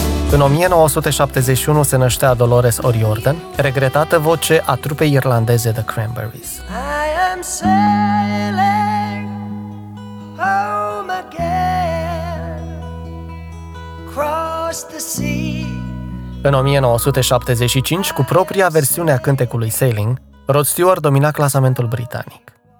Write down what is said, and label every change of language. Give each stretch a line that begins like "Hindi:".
Romanian: În 1971 se năștea Dolores O'Riordan, regretată voce a trupei irlandeze The Cranberries.
English: I am sailing home again, cross the sea.
Romanian: În 1975, cu propria versiune a cântecului Sailing, Rod Stewart domina clasamentul britanic.